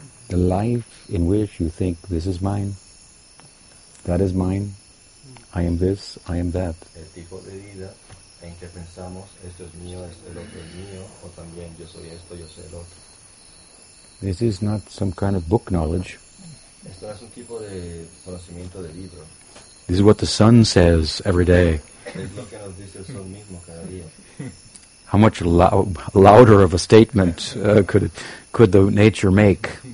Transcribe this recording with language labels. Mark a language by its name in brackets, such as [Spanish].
[English] The life in which you think, this is mine, that is mine, I am this, I am that. [Spanish] El tipo de vida en que pensamos, esto es mío, esto el otro es mío, o también yo soy esto, yo soy el otro. [English] This is not some kind of book knowledge. [Spanish] Esto es un tipo de conocimiento de libro. [English] This is what the sun says every day. [Spanish] Es lo que nos dice el sol mismo cada día. [English] How much louder of a statement could the nature make?